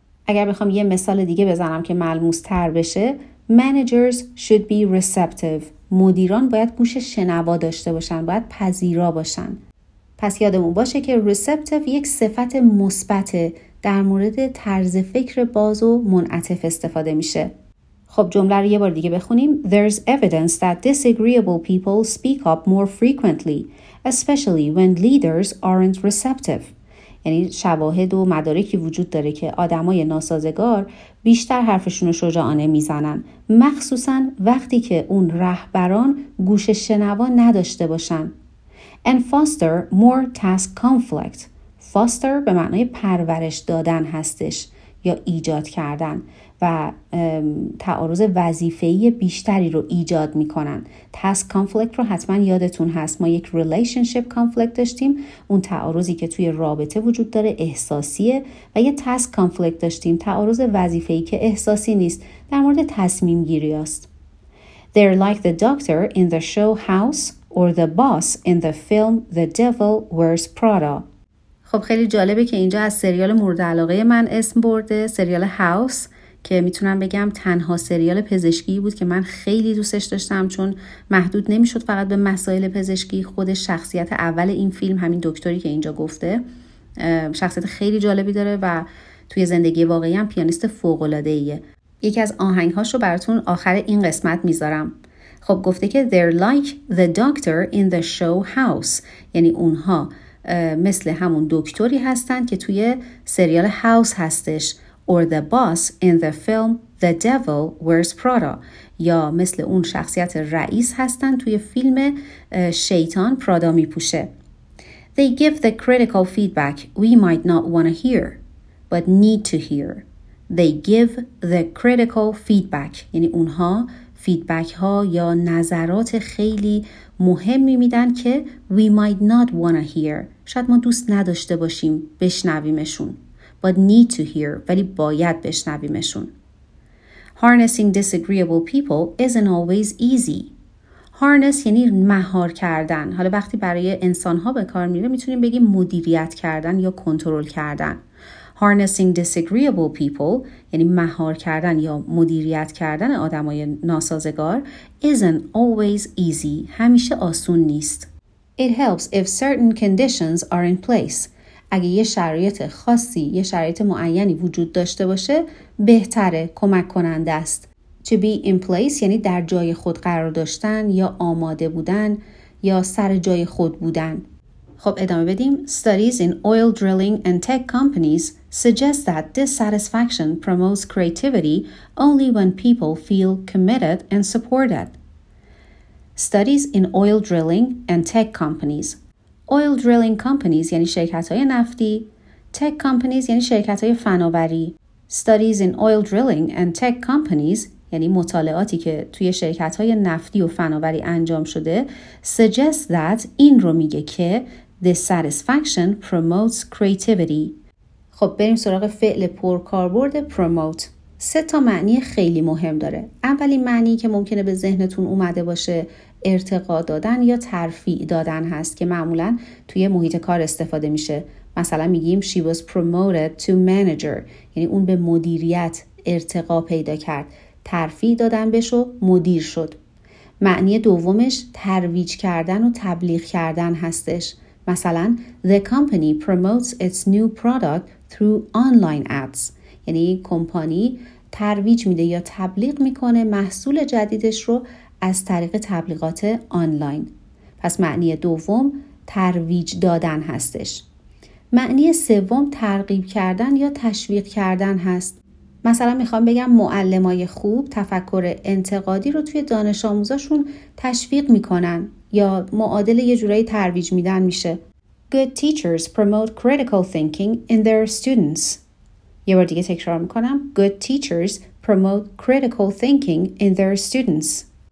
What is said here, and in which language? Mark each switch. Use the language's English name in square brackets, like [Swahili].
[Persian] اگر بخوام یه مثال دیگه بزنم که ملموس تر بشه، [English] managers should be receptive. [Persian] مدیران باید گوش شنوا داشته باشن، باید پذیرا باشن. پس یادمون باشه که receptive یک صفت مثبته، در مورد طرز فکر باز و منعطف استفاده میشه. خب جمله رو یه بار دیگه بخونیم. [English] There's evidence that disagreeable people speak up more frequently, especially when leaders aren't receptive. [Persian] یعنی شواهد و مدارکی وجود داره که آدمای ناسازگار بیشتر حرفشون رو شجاعانه میزنن، مخصوصا وقتی که اون رهبران گوش شنوا نداشته باشن. [English] And foster more task conflict. [Persian] Foster به معنای پرورش دادن هستش یا ایجاد کردن و تعارض وظیفه‌ای بیشتری رو ایجاد می‌کنن. Task conflict رو حتما یادتون هست. ما یک relationship conflict داشتیم، اون تعارضی که توی رابطه وجود داره احساسیه، و یه task conflict داشتیم، تعارض وظیفه‌ای که احساسی نیست، در مورد تصمیم گیری است. [English] They're like the doctor in the show House or the boss in the film The Devil Wears Prada. [Persian] خب خیلی جالبه که اینجا از سریال مورد علاقه من اسم برده، سریال هاوس، که میتونم بگم تنها سریال پزشکی بود که من خیلی دوستش داشتم، چون محدود نمیشد فقط به مسائل پزشکی. خود شخصیت اول این فیلم، همین دکتری که اینجا گفته، شخصیت خیلی جالبی داره و توی زندگی واقعی هم پیانیست فوق‌العاده‌ایه. یکی از آهنگ‌هاشو براتون آخر این قسمت میذارم. خب گفته که [English] they're like the doctor in the show House، [Persian] یعنی اونها مثل همون دکتری هستن که توی سریال هاوس هستش، [English] or the boss in the film The Devil Wears Prada، [Persian] یا مثل اون شخصیت رئیس هستن توی فیلم شیطان پرادا می پوشه. [English] They give the critical feedback we might not want to hear but need to hear. They give the critical feedback، [Persian] یعنی اونها فیدبک ها یا نظرات خیلی مهمی میدن که [English] we might not wanna hear، [Persian] شاید ما دوست نداشته باشیم بشنویمشون، [English] but need to hear، [Persian] ولی باید بشنویمشون. [English] Harnessing disagreeable people isn't always easy. [Persian] Harness یعنی مهار کردن. حالا وقتی برای انسان ها به کار میره میتونیم بگیم مدیریت کردن یا کنترل کردن. [English] Harnessing disagreeable people [Persian] یعنی مهار کردن یا مدیریت کردن آدمای ناسازگار [English] isn't always easy، [Persian] همیشه آسون نیست. [English] It helps if certain conditions are in place، [Persian] اگه یه شرایط خاصی، یه شرایط معینی وجود داشته باشه بهتره، کمک کننده است. To be in place یعنی در جای خود قرار داشتن یا آماده بودن یا سر جای خود بودن. خب ادامه بدیم. [English] Studies in oil drilling and tech companies suggest that dissatisfaction promotes creativity only when people feel committed and supported. Studies in oil drilling and tech companies. [Persian] Oil drilling companies یعنی شرکت‌های نفتی، tech companies یعنی شرکت‌های فناوری. [English] Studies in oil drilling and tech companies [Persian] یعنی مطالعاتی که توی شرکت‌های نفتی و فناوری انجام شده [English] suggest that، [Persian] این رو میگه که [English] dissatisfaction promotes creativity. [Persian] خب بریم سراغ فعل پرکاربرد promote. سه تا معنی خیلی مهم داره. اولین معنی که ممکنه به ذهنتون اومده باشه ارتقا دادن یا ترفیع دادن هست، که معمولا توی محیط کار استفاده میشه. مثلا میگیم [English] she was promoted to manager، [Persian] یعنی اون به مدیریت ارتقا پیدا کرد، ترفیع دادن بهش و مدیر شد. معنی دومش ترویج کردن و تبلیغ کردن هستش. [English] مثلا The company promotes its new product through online ads. [Persian] یعنی کمپانی ترویج میده یا تبلیغ میکنه محصول جدیدش رو از طریق تبلیغات آنلاین. پس معنی دوم ترویج دادن هستش. معنی سوم ترغیب کردن یا تشویق کردن هست. مثلا میخوام بگم معلمای خوب تفکر انتقادی رو توی دانش آموزاشون تشویق میکنن یا معادل یه جورایی ترویج میدن میشه. [English] Good teachers promote critical thinking in their students. [Persian] یه بار دیگه تکرار میکنم. [English] Good teachers promote critical thinking in their students.